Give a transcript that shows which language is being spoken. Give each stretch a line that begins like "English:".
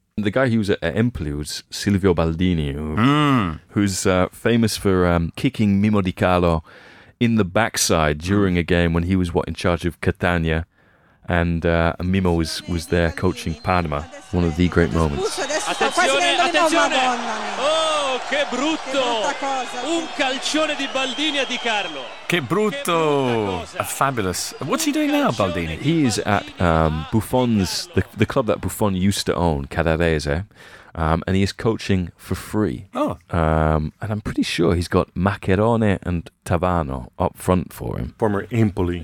English: And the guy who was at Empoli was Silvio Baldini, who's famous for kicking Mimmo Di Calo in the backside during a game when he was, in charge of Catania. And Mimmo was there coaching Parma. One of the great moments.
Italian: Attenzione, attenzione! Oh, che brutto! Un calcione di Baldini a Di Carlo. Che brutto!
English: A fabulous. What's he doing now, Baldini? He is at Buffon's, the club that Buffon used to own, Cadarese, and he is coaching for free. Oh. And I'm pretty sure he's got Maccherone and Tavano up front for him. Former Empoli.